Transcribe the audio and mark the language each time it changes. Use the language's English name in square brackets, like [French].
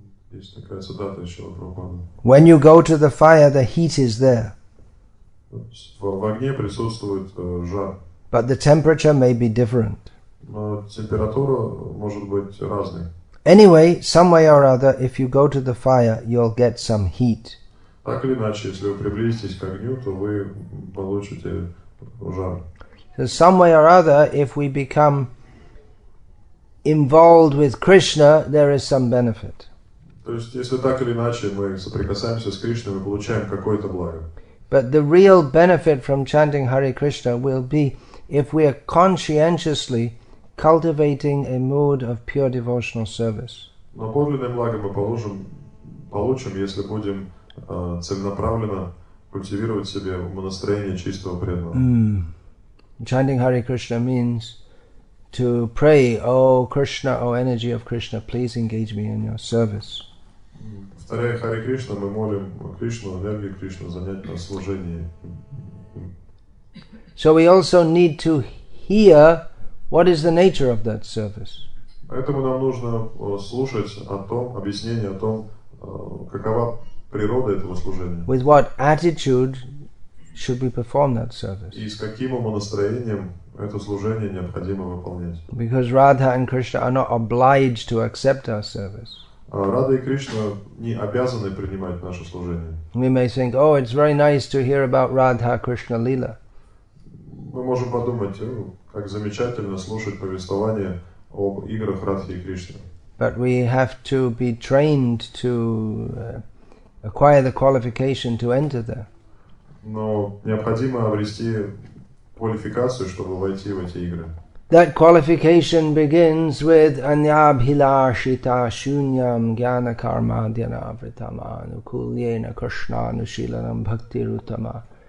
[Russian] Есть такая цитата из Шрила Прабхупады. [English] When you go to the fire, the heat is there. [Russian] В огне присутствует жар. [English] But the temperature may be different. [Russian] Но температура может быть разной. [English] Anyway, some way or other, if you go to the fire, you'll get some heat. [Russian] Так или иначе, если вы приблизитесь к огню, то вы получите жар. [English] So some way or other, if we become involved with Krishna, there is some benefit. [Russian] То есть, если так или иначе мы соприкасаемся с Кришной, мы получаем какое-то благо. [English] But the real benefit from chanting Hare Krishna will be if we are conscientiously cultivating a mood of pure devotional service. [Russian] Но подлинное благо мы получим, если будем целенаправленно культивировать себе настроение чистого преданного. [English] Chanting Hare Krishna means to pray, O Krishna, O energy of Krishna, please engage me in your service. [Russian] Повторяя Харе Кришна, мы молим Кришну, энергию Кришны занять нас в служении. [English] So we also need to hear what is the nature of that service. [Russian] Поэтому нам нужно слушать о том, объяснение о том, какова природа этого служения. [English] With what attitude should we perform that service? [Russian] И с каким настроением это служение необходимо выполнять? [English] Because Radha and Krishna are not obliged to accept our service. [Russian] Рада и Кришна не обязаны принимать наше служение. [English] We may think, oh, it's very nice to hear about Radha Krishna Lila. [Russian] Мы можем подумать, как замечательно слушать повествование об играх Радхи и Кришны. [English] But we have to be trained to acquire the qualification to enter there. [Russian] Но необходимо обрести квалификацию, чтобы войти в эти игры. [English] That qualification begins with [Sanskrit] Anyabhilashita Shunyam Jnana Karma Dhyanavritama Anukulyena Krishna Anushilanam Bhakti Rutama.